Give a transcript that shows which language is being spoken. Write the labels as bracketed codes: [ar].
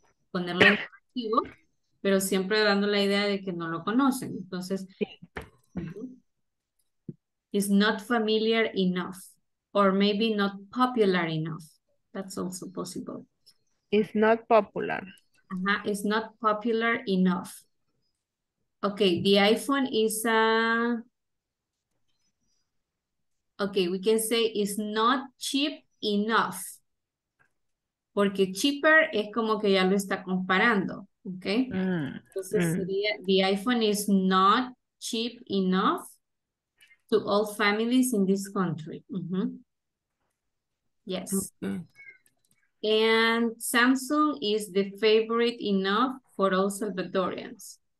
[es] Ponerlo en activo, pero siempre dando la idea de que no lo conocen. Entonces, [en] is not familiar enough, or maybe not popular enough. That's also possible. It's not popular. Uh-huh. It's not popular enough. Okay, the iPhone is a... Okay, we can say it's not cheap enough. [es] Porque cheaper es como que ya lo está comparando. [en] Okay? [es] Entonces sería, [en] the iPhone is not cheap enough to all families in this country. Mm-hmm. Yes. Okay. And Samsung is the favorite enough for all Salvadorians.